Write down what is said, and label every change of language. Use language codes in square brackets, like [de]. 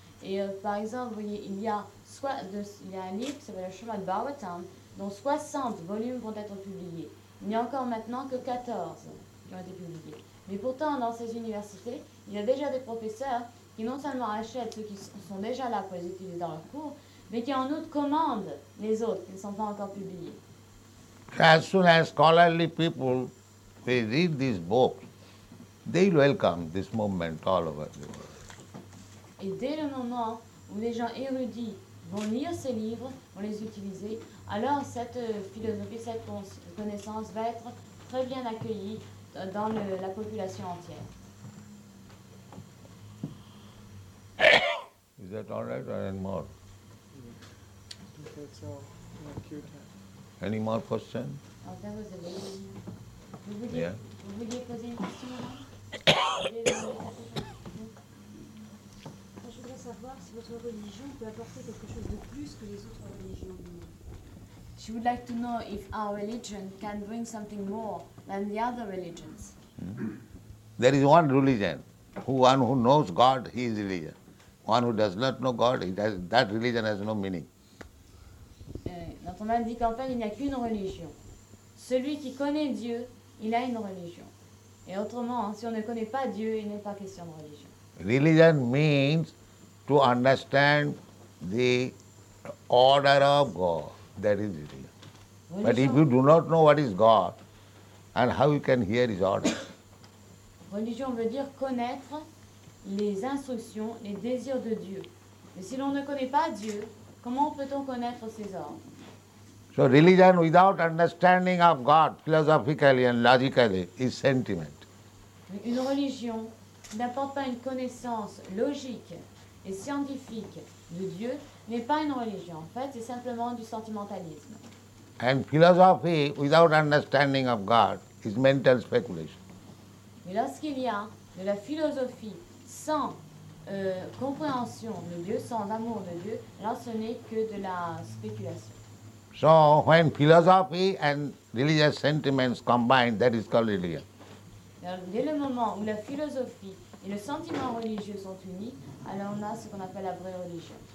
[fr] Et par exemple, vous voyez, il y a un livre qui s'appelle le Srimad Bhagavatam, dont 60 volumes vont être publiés. Il n'y a encore maintenant que 14 qui ont été publiés. Mais pourtant, dans ces universités, il y a déjà des professeurs qui non seulement achètent ceux qui sont déjà là pour les utiliser dans leurs cours, mais qui en outre commandent les autres qui ne sont pas encore publiés. [en] As soon as scholarly people will read these books, they will welcome this movement all over the world. [fr] Et dès le moment où les gens érudits vont lire ces livres, vont les utiliser, alors cette philosophie, cette connaissance va être très bien accueillie dans la population entière. [en] Is that all right or any more? I think that's all. Any more questions? Oh, that was a lady. [fr] Vous vouliez poser une question, madame? Je voudrais savoir si votre religion peut apporter quelque chose de plus que les autres religions du monde. [en] She would like to know if our religion can bring something more than the other religions. There is one religion. One who knows God, he is religion. One who does not know God, that religion has no meaning. [fr] Notre maître dit qu'en fait, il n'y a qu'une religion. Celui qui connaît Dieu, il a une religion. Et autrement, si on ne connaît pas Dieu, il n'est pas question de religion. [en] Religion means to understand the order of God. That is religion. Religion. But if you do not know what is God, and how you can hear His order. [fr] Religion veut dire connaître les instructions, les désirs de Dieu. Mais si l'on ne connaît pas Dieu, comment peut-on connaître ses ordres? [en] So religion without understanding of God philosophically and logically is sentiment. [fr] Une religion n'apporte pas une connaissance logique et scientifique de Dieu n'est pas une religion. En fait, c'est simplement du sentimentalisme. [en] And philosophy without understanding of God is mental speculation. [fr] Mais lorsqu'il y a de la philosophie sans compréhension de Dieu, sans amour de Dieu, alors ce n'est que de la spéculation. [en] So when philosophy and religious sentiments combine, that is called religion. [fr] Alors, dès le moment où la philosophie et le sentiment religieux sont unis, alors on a ce qu'on appelle la vraie religion.